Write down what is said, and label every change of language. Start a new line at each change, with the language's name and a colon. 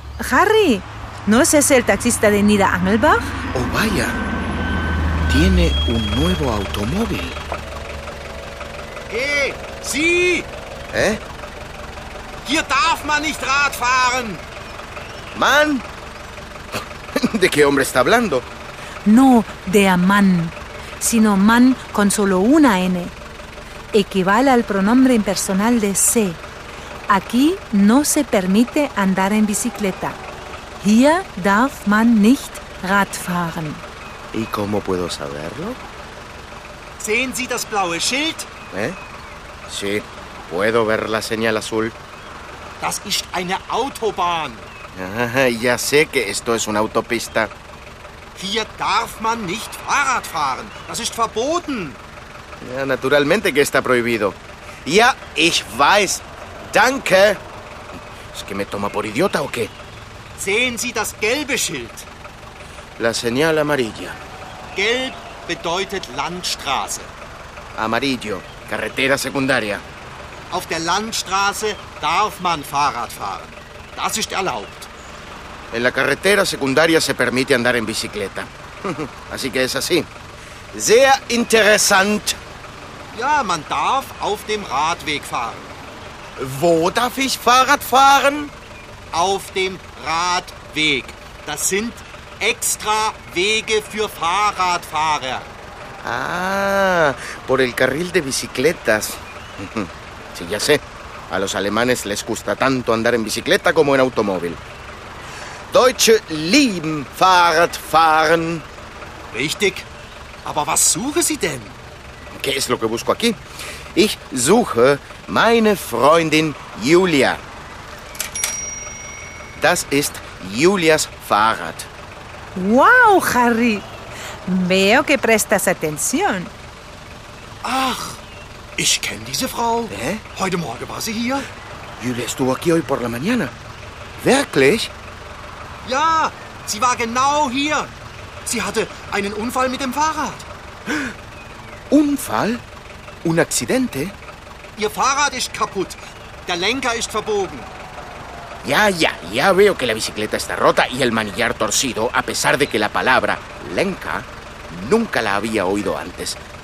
Spanish: Harry, ¿no es ese el taxista de Nida Angelbach? Oh, vaya. Tiene un nuevo automóvil. ¡Eh! ¡Sí! ¿Eh?
German: ¡Hier darf man nicht Rad fahren! ¿Man?
Spanish: ¿De qué hombre está hablando? No de
English: a man,
Spanish: sino man con solo una N. Equivale al pronombre impersonal de se. Aquí no se permite andar en bicicleta.
German: Hier darf man nicht Rad fahren.
Spanish: ¿Y cómo puedo saberlo?
German: ¿Sehen Sie das blaue Schild? ¿Eh?
Spanish: Sí, puedo ver la señal azul.
German: Das ist eine Autobahn.
Spanish: Ya sé que esto es una autopista.
German: Hier darf man nicht Fahrrad fahren. Das ist verboten. Ja,
Spanish: naturalmente que está prohibido.
German: Ja, ich weiß. Danke.
Spanish: ¿Es que me toma por idiota o qué?
German: Sehen Sie das gelbe Schild.
Spanish: La señal amarilla.
German: Gelb bedeutet Landstraße.
Spanish: Amarillo, carretera secundaria.
German: Auf der Landstraße darf man Fahrrad fahren. Das ist erlaubt.
Spanish: En la carretera secundaria se permite andar en bicicleta. Así que es así.
German: Sehr interessant. Ja, man darf auf dem Radweg fahren. Wo darf ich Fahrrad fahren? Auf dem Radweg. Das sind extra Wege für Fahrradfahrer.
Spanish: Ah, por el carril de bicicletas. Sí, ya sé. A los alemanes les gusta tanto andar en bicicleta como en automóvil.
German: Deutsche lieben Fahrrad fahren. Richtig. Aber was suchen Sie denn?
Spanish: ¿Qué es lo que busco aquí?
German: Ich suche meine Freundin Julia. Das ist Julias Fahrrad. Wow, Harry.
Spanish: Veo que prestas atención.
German: Ach, ich kenne diese Frau. Hä? Heute Morgen war sie hier.
Spanish: Julia estuvo aquí hoy por la mañana.
German: Wirklich? Ja, sie war genau hier. Sie hatte einen Unfall mit dem Fahrrad.
Spanish: Unfall? Un accidente?
German: Ihr Fahrrad ist kaputt. Der Lenker ist verbogen.
Spanish: Ya, ya, ya veo que la bicicleta está rota y el manillar torcido, a pesar de que la palabra Lenker nunca la había oído antes.